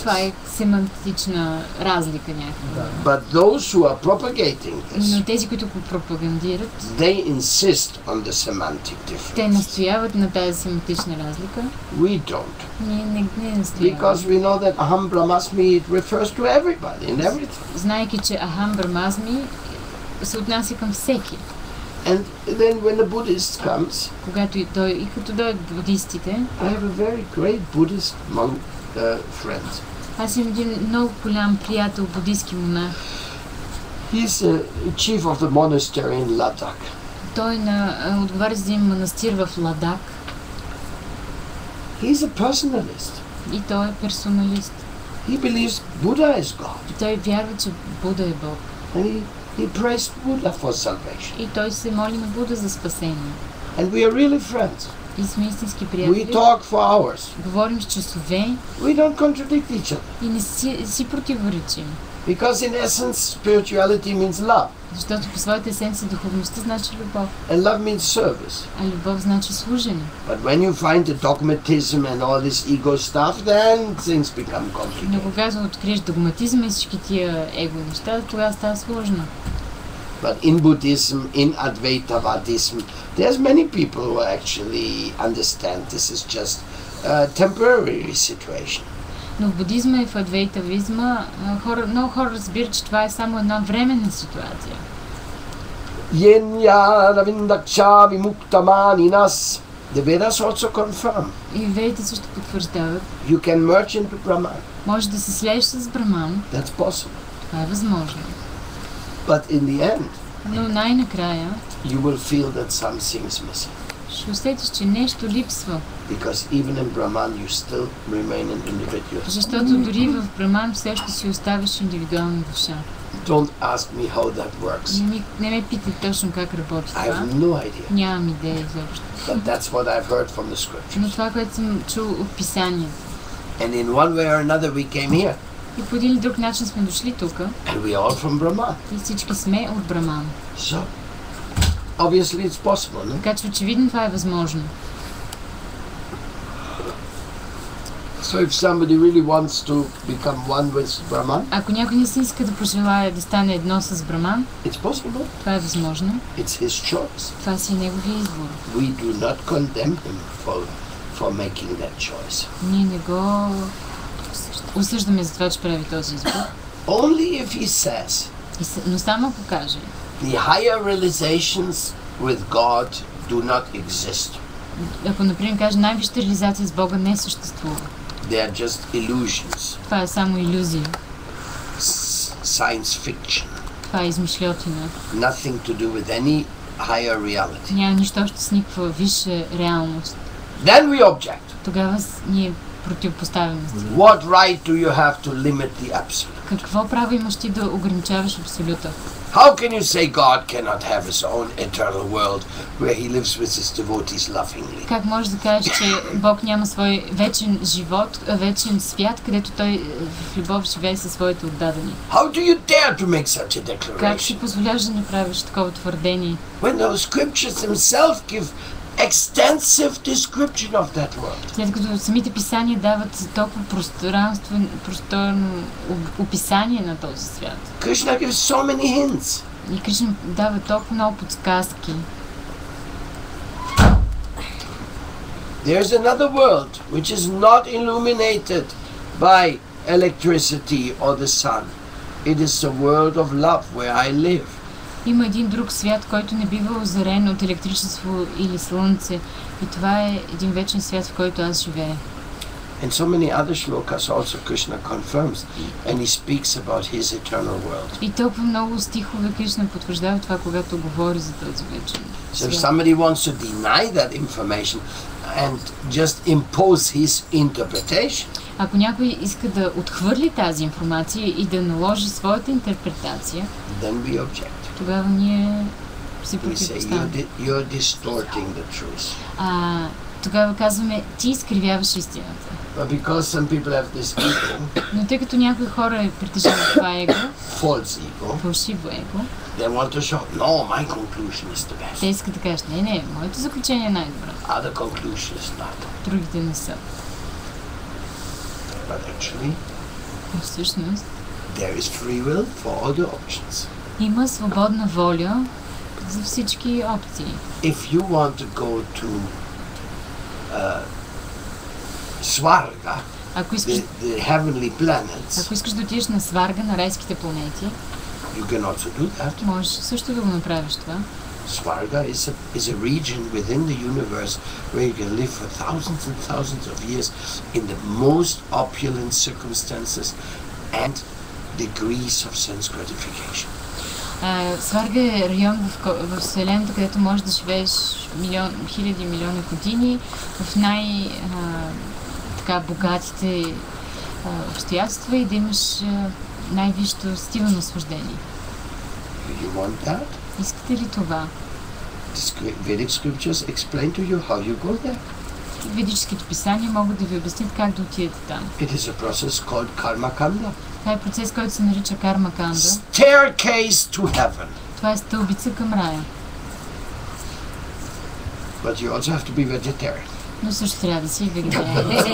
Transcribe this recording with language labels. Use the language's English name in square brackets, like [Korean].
[Bulgarian] Това е семантична разлика някаква. [English] But those who are propagating this. [Bulgarian] Но тези, които го пропагандират. [English] They insist on the semantic difference. [Bulgarian] Те настояват на тази семантична разлика. [English] We don't. [Bulgarian] Не настояваме. [English] Because we know that aham brahmasmi refers to everybody and everything. [Bulgarian] Знайки, че aham brahmasmi се отнася към всеки. [English] And then when the Buddhist comes, [Bulgarian] когато дойдат будистите, [English] I have a very great Buddhist monk friend. [Bulgarian] Аз имам един много голям приятел, будистки монах. [English] He's the chief of the monastery in Ladakh. [Bulgarian] Той отговаря за един манастир в Ладак. [English] He's a personalist. [Bulgarian] И той е персоналист. [English] He believes Buddha is God. [Bulgarian] Той вярва, че Буда е Бог. [English] He prays Buddha for salvation. [Bulgarian] И той се моли на Буда за спасение. [English] And we are really friends. [Bulgarian] И сме истински приятели. [English] We talk for hours. [Bulgarian] Говорим с часове. [English] We don't contradict each other. [Bulgarian] И не си противоречим. [English] Because in essence spirituality means love. [Bulgarian] Защото по своята есенция духовността значи любов. [English] And love means service. [Bulgarian] А любов значи служене. [English] But when you find the dogmatism and all this ego stuff, then things become complicated. [Bulgarian] Но когато откриеш догматизма и всички тия его неща, тогава става сложно. [English] But in Buddhism, in Advaita Vedism, there's many people who actually understand this is just a temporary situation. [Bulgarian] Но в будизма и в адвейтавизма много хора разбират, че това е само една временна ситуация. [Sanskrit] Yenyana vindaksha vimukta maninas. [English] The Vedas also confirm. [Bulgarian] И Ведите също потвърждават. [English] You can merge into Brahman. [Bulgarian] Може да се слееш с Брахман. [English] That's possible. [Bulgarian] Това е възможно. [English] But in the end. [Bulgarian] Но най-накрая. [English] You will feel that something is missing. [Bulgarian] Ще усетиш, че нещо липсва. [English] Because even in Brahman you still remain an individual. [Bulgarian] Защото дори в Брахман все още си оставаш индивидуална душа. [English] Don't ask me how that works. [Bulgarian] Не ме питай точно как работи това. [English] I have no idea. [Bulgarian] Нямам идея изобщо. [English] But that's what I've heard from the scriptures. [Bulgarian] Но това, което съм чул от писанието. [English] And in one way or another we came here. [Bulgarian] И по един или друг начин сме дошли тук. [English] And we are all from Brahman. [Bulgarian] И всички сме от Брахман. [English] So, obviously it's possible, no? [Bulgarian] Така че очевидно това е възможно. [English] So if somebody really wants to become one with Brahman, [Bulgarian] ако някой не си иска да пожелая да стане едно с Брахман, [English] it's possible. [Bulgarian] Това е възможно. [English] It's his choice. [Bulgarian] Това си е неговия избор. [English] We do not condemn him for making that choice. [Bulgarian] Ние не го осъждаме за това, че прави този избор. [English] Only if he says. [Bulgarian] Но само ако каже. [English] The higher realizations with God do not exist. [Bulgarian] Ако например каже най-висшата реализация с Бога не съществува. [English] They are just illusions. [Bulgarian] Това е само илюзия. [English] Science fiction. [Bulgarian] Това е измишльотина. [English] Nothing to do with any higher reality. [Bulgarian] Няма нищо общо с никаква висша реалност. [English] Then we object. [Bulgarian] Тогава ние противопоставяме. [English] What right do you have to limit the absolute? [Bulgarian] Какво право имаш ти да ограничаваш абсолюта? [English] How can you say God cannot have his own eternal world where he lives with his devotees lovingly? [Bulgarian] Как можеш да кажеш, че Бог няма свой вечен живот, вечен свят, където той в любов живее със своите отдадени? [English] How do you dare to make such a declaration? [Bulgarian] Как си позволяваш да направиш такова твърдение? [English] When the scriptures themselves give extensive description of that world. [Bulgarian] След като самите писания дават толкова просторно описание на този свят. [English] Кришна gives so many hints. [Bulgarian] И Кришна дава толкова много подсказки. [English] There is another world which is not illuminated by electricity or the sun. It is the world of love where I live. [Bulgarian] Има един друг свят, който не бива озарен от електричество или слънце, и това е един вечен свят, в който аз живея. [English] And so many other shlokas also Krishna confirms and he speaks about his eternal world. [Bulgarian] И толкова много стихове Кришна потвърждава това, когато говори за този вечен свят. [English] So if somebody wants to deny that information and just impose his interpretation. [Bulgarian] Ако някой иска да отхвърли тази информация и да наложи своята интерпретация, [English] then we object. [Bulgarian] Тогава ние си противопоставяме. Тогава казваме, ти изкривяваш истината. [English] But because some people have this ego, [Bulgarian] но тъй като някои хора притежават това его, [English] false ego, [Bulgarian] фалшиво его, [English] they want to show, no, my conclusion is the best. [Bulgarian] Те искат да кажат, не, моето заключение е най-добро. [English] Other conclusion is not. [Bulgarian] Другите не са. [English] But actually, [Bulgarian] но всъщност, [English] there is free will for all the options. [Bulgarian] Има свободна воля за всички опции. [English] If you want to go to Сварга, the heavenly planets. [Bulgarian] Ако искаш да отидеш на Сварга, на райските планети, [English] you can also do that. [Bulgarian] Можеш също да го направиш това. [English] Сварга is a region within the universe where you can live for thousands and thousands of years in the most opulent circumstances and degrees of sense gratification. [Bulgarian] Сварга е район в Вселената, където можеш да живееш хиляди и милиони години в най-богатите обстоятелства и да имаш най-висшето стива наслаждение. [English] You want that? [Bulgarian] Искате ли това? [English] Vedic scriptures explain to you how you go there. [Bulgarian] Ведическите писания могат да ви обяснят как да отидете там. [English] It is a process called karma kanda. [Bulgarian] Това е процес, който се нарича карма канда. [English] Staircase to heaven. [Bulgarian] Това е стълбица към рая. [English] But you also have to be vegetarian. [Bulgarian] Но също трябва да си вегетариан.